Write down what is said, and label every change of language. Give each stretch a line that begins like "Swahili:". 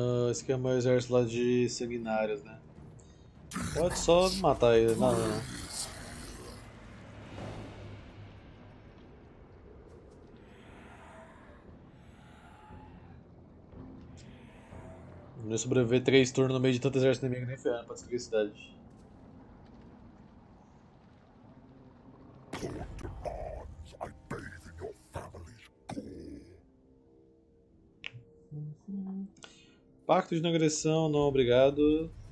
Portuguese: Esse aqui é o meu exército lá de sanguinários, né? Pode só matar ele, não, não. Não ia sobreviver 3 turnos no meio de tanto exército inimigo, nem ferrando pra destruir a cidade.
English: demands, I bathe in your family's gore.
Portuguese: Pacto de não agressão, não obrigado.